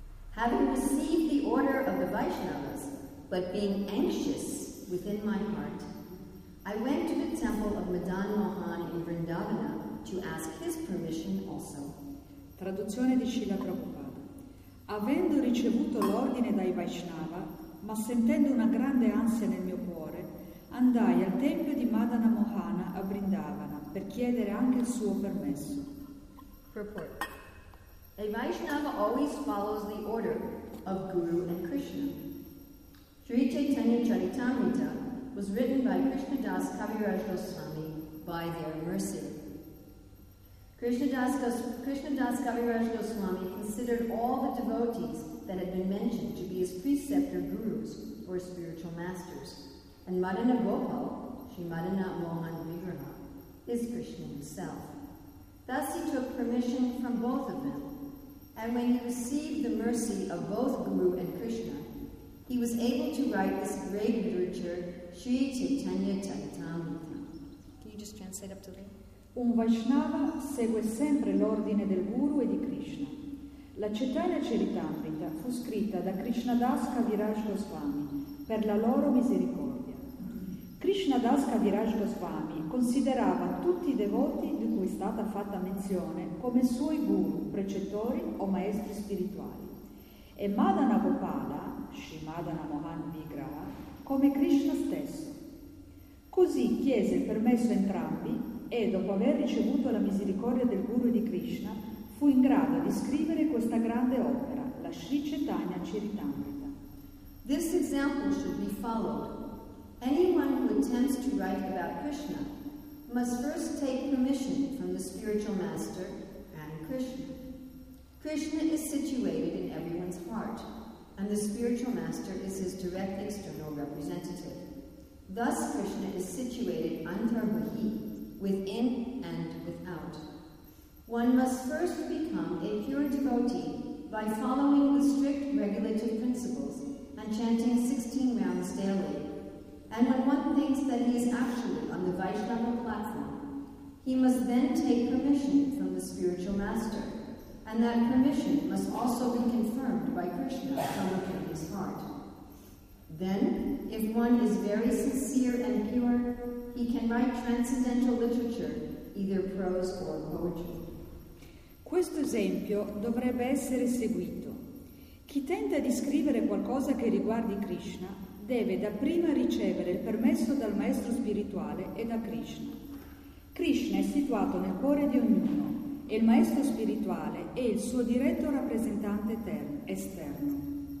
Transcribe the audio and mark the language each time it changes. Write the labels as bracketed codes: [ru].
[en] Having received the order of the Vaishnavas, but being anxious within my heart, I went to the temple of Madan Mohan in Vrindavana to ask his permission also. [it] Traduzione di Srila Prabhupada. Avendo ricevuto l'ordine dai Vaishnava, ma sentendo una grande ansia nel mio cuore, andai al tempio di Madana Mohana a Vrindavana per chiedere anche il suo permesso. [en] Purport. A Vaishnava always follows the order of Guru and Krishna. Sri Chaitanya Charitamrita was written by Krishnadas Kaviraj Goswami by their mercy. Krishnadas Kaviraj Goswami considered all the devotees that had been mentioned to be his preceptor gurus or spiritual masters, and Madana Gopal, Sri Madana Mohan Vigraha, is Krishna himself. Thus he took permission from both of them, and when he received the mercy of both Guru and Krishna, he was able to write this great literature, Sri Chaitanya Charitamrita. Can you just translate up to me? [it] Un Vaishnava segue sempre l'ordine del Guru e di Krishna. La Chaitanya Charitamrita fu scritta da Krishnadas Kaviraj Goswami per la loro misericordia. Krishnadas Kaviraj Goswami considerava tutti i devoti di cui è stata fatta menzione come suoi guru, precettori o maestri spirituali. E Madana Gopala, Sri Madana Mohan Vigraha, come Krishna stesso. Così chiese il permesso a entrambi e, dopo aver ricevuto la misericordia del guru di Krishna, fu in grado di scrivere questa grande opera, la Sri Chaitanya Charitamrita. [en] This example should be followed. Anyone who attempts to write about Krishna must first take permission from the spiritual master and Krishna. Krishna is situated in everyone's heart, and the spiritual master is his direct external representative. Thus, Krishna is situated antarbahi, within and without. One must first become a pure devotee by following the strict regulative principles and chanting 16 rounds daily. And when one thinks that he is actually on the Vaishnava platform, he must then take permission from the spiritual master, and that permission must also be confirmed by Krishna from within his heart. Then, if one is very sincere and pure, he can write transcendental literature, either prose or poetry. [it] Questo esempio dovrebbe essere seguito. Chi tenta di scrivere qualcosa che riguardi Krishna deve dapprima ricevere il permesso dal maestro spirituale e da Krishna. Krishna è situato nel cuore di ognuno e il maestro spirituale è il suo diretto rappresentante esterno.